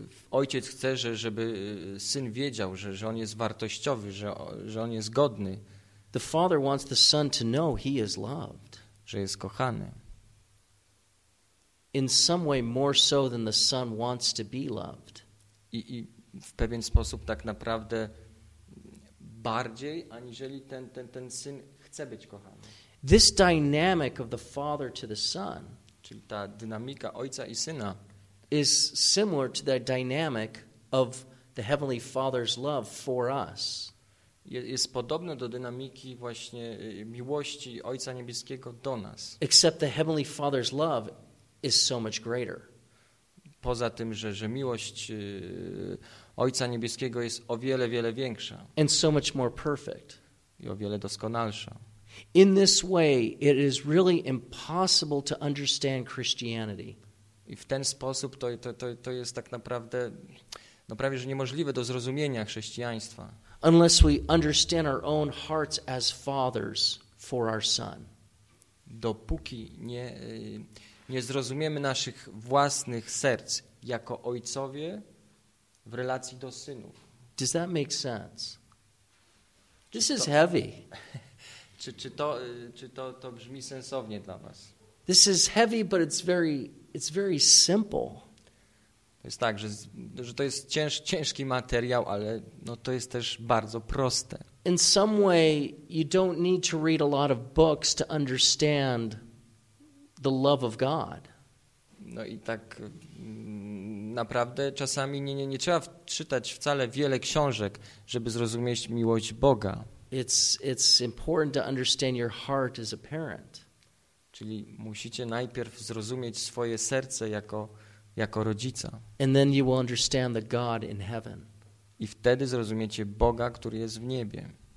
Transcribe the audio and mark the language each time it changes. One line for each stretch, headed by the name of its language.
Polish: Ojciec chce, żeby Syn wiedział, że On jest wartościowy, że On jest godny.
English: The Father wants the Son to know He is loved.
Polish: Że jest kochany.
English: In some way more so than the Son wants to be loved.
Polish: I w pewien sposób tak naprawdę bardziej, aniżeli ten Syn chce być kochany.
English: This dynamic of the Father to the Son,
Polish: czyli ta dynamika Ojca i Syna,
English: is similar to the dynamic of the Heavenly Father's love for us.
Polish: Jest podobne do dynamiki właśnie miłości Ojca Niebieskiego do nas.
English: Except the Heavenly Father's love is so much greater.
Polish: Poza tym, że miłość Ojca Niebieskiego jest o wiele, wiele większa.
English: And so much more perfect.
Polish: I o wiele doskonalsza.
English: In this way, it is really impossible to understand Christianity.
Polish: I w ten sposób to jest tak naprawdę, no prawie że niemożliwe do zrozumienia chrześcijaństwa.
English: Unless we understand our own hearts as fathers for our Son.
Polish: Dopóki nie zrozumiemy naszych własnych serc jako ojcowie w relacji do synów.
English: Does that make sense? This is heavy.
Polish: Czy to brzmi sensownie dla was?
English: This is heavy, but it's very simple.
Polish: To jest tak, że to jest ciężki materiał, ale no to jest też bardzo proste.
English: In some way, you don't need to read a lot of books to understand the love of God.
Polish: No i tak naprawdę czasami nie trzeba czytać wcale wiele książek, żeby zrozumieć miłość Boga.
English: It's important to understand your heart as a parent.
Polish: Czyli musicie najpierw zrozumieć swoje serce jako rodzica.
English: And then you will understand the God in heaven.
Polish: I wtedy zrozumiecie Boga, który jest w niebie.